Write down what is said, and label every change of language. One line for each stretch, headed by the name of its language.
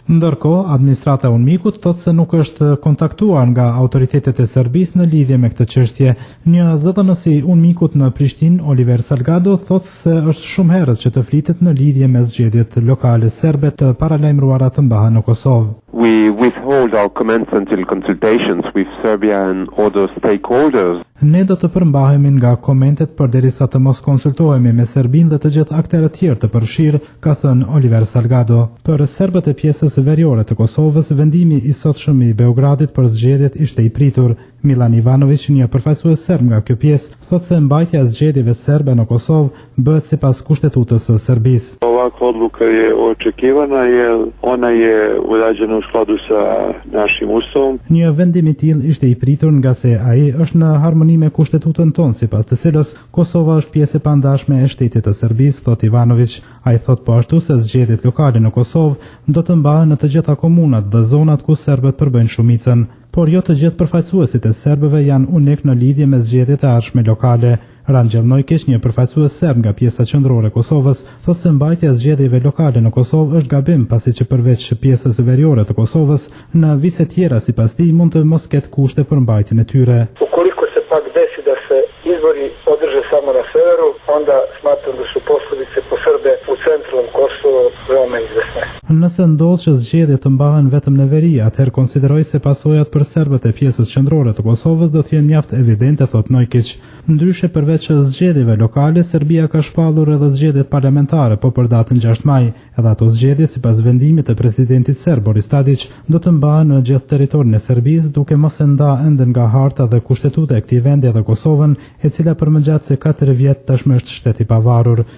Albanian: Ndërkohë, administrata e UNMIK-ut thotë se nuk është kontaktuar nga autoritetet e Serbisë në lidhje me këtë çështje. Një zëdhënës i UNMIK-ut në Prishtinë, Oliver Salgado, thotë se është shumë herët që të flitet në lidhje me zgjedhjet lokale serbe të paralajmëruara të mbahen në Kosovë.
English: We withhold our comments until consultations with Serbia and other stakeholders.
Albanian: Ne do të përmbahemi nga komentet përderisa të mos konsultohemi me Serbinë dhe të gjithë aktorët tjerë të përfshirë, ka thënë Oliver Salgado. Për serbët e pjesës veriore të Kosovës, vendimi i sotshëm i Beogradit për zgjedhjet ishte i pritur. Milan Ivanović, një përfaqësues serb nga kjo pjesë, thotë se mbajtja e zgjedhjeve serbe në Kosovë bëhet sipas kushtetutës së Serbisë.
Serbian: Odluka je očekivana, ona je urađena u skladu sa našim ustavom.
Albanian: Një vendim i tillë ishte i pritur nga se ai është në harmoni me kushtetutën tonë, sipas të cilës Kosova është pjesë e pandashme e shtetit të Serbisë, thot Ivanović. Ai thot po ashtu se zgjedhjet lokale në Kosovë do të mbahen në të gjitha komunat dhe zonat ku serbët përbëjnë shumicën. Por jo të gjithë përfaqësuesit e serbëve janë unik në lidhje me zgjedhjet e ardhshme lokale. Rangjel Nojkeç, një përfaqësues serb nga pjesa qendrore e Kosovës, thotë se mbajtja e zgjedhjeve lokale në Kosovë është gabim, pasi që përveç pjesës veriore të Kosovës, në vise tjera sipas tij mund të mos ketë kushte për mbajtjen e tyre.
Serbian: Ukoliko se pak desi da se izbori održe samo na severu, onda smatram da su posledice po Srbe u centralnom Kosovu veoma izvesne.
Albanian: Nëse ndodh që zgjedhjet të mbahen vetëm në veri, atëherë konsideroj se pasojat për serbët e pjesës qendrore të Kosovës do të jenë mjaft evidente, thotë Nojkeç. Ndryshe përveç zgjedhjeve lokale, Serbia ka shpallur edhe zgjedhjet parlamentare, po për datën 6 maj, edhe ato zgjedhje sipas vendimit të presidentit serb Boris Tadić do të mbahen në gjithë territorin e Serbisë, duke mos e nda ende nga harta dhe kushtetuta e këtij vendi edhe Kosovën, e cila për më gjatë se 4 vjet tashmë është shtet i pavarur.